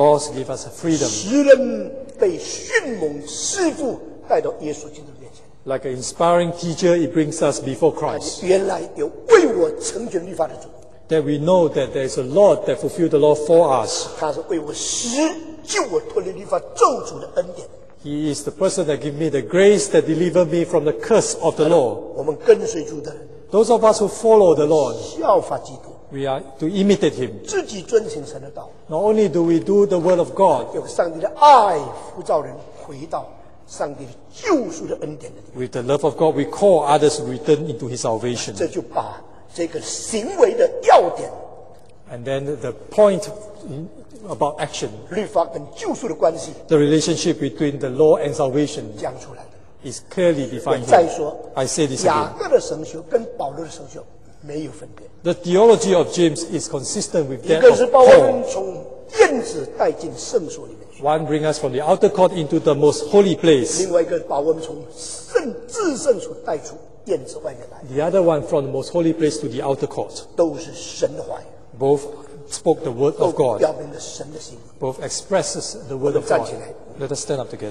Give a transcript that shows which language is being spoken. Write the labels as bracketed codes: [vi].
[en] Laws give us freedom. [zh] 使人被迅猛师父带到耶稣基督。 [en] Like an inspiring teacher, it brings us before Christ. [zh] 原来有为我成全律法的主。 [en] That we know that there is a Lord that fulfilled the law for us. [zh] 他是为我使救我脱离律法咒诅的恩典。 [en] He is the person that gave me the grace that delivered me from the curse of the law. [zh] 我们跟随主的人。 [en] Those of us who follow the Lord. [zh] 效法基督。 [en] We are to imitate him. [zh] 自己遵行神的道。 [en] Not only do we do the word of God. [zh] 用上帝的爱呼召人回到。上帝救赎的恩典的地方。 [en] With the love of God, we call others to return into His salvation. [zh] 这就把这个行为的要点。 [en] And then the point about action. [zh] 律法跟救赎的关系。 [en] The relationship between the law and salvation. [zh] 讲出来的。 [en] Is clearly defined. [zh] 再说。 [en] I say this again. [zh] 雅各的神学跟保罗的神学没有分别。 [en] The theology of James is consistent with that of Paul. [zh] 一个是把我们从电子带进圣所里。 [en] One bring us from the outer court into the most holy place. [zh] 另外一个把我们从圣至圣所带出院子外面来。 [en] The other one from the most holy place to the outer court. [zh] 都是神的话语。 [en] Both spoke the word of God. [zh] 都表明了神的心意。 [en] Both expresses the word of God. [zh] 我们站起来。 [en] Let us stand up together.